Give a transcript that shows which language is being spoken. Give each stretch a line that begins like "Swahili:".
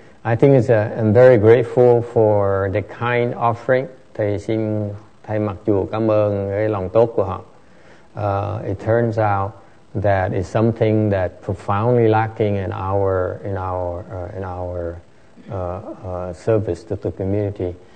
English: I think I'm very grateful for the kind offering.
Vietnamese: Thầy xin thay mặt chùa cảm ơn cái lòng tốt của họ.
English: It turns out that it's something that profoundly lacking in our service to the community.